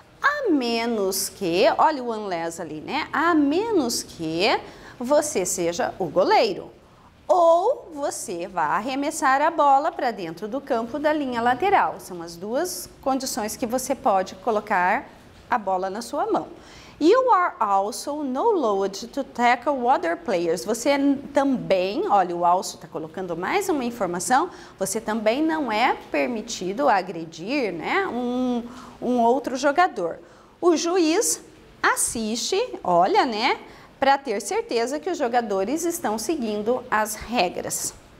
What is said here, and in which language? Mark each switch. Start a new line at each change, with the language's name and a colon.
Portuguese: A menos que, olha o unless ali, né? A menos que você seja o goleiro. Ou você vá arremessar a bola para dentro do campo da linha lateral. São as duas condições que você pode colocar a bola na sua mão.
English: You are also no load to tackle other players.
Portuguese: Você também, olha, o also está colocando mais uma informação, você também não é permitido agredir, né, um outro jogador. O juiz assiste, olha, né, para ter certeza que os jogadores estão seguindo as regras.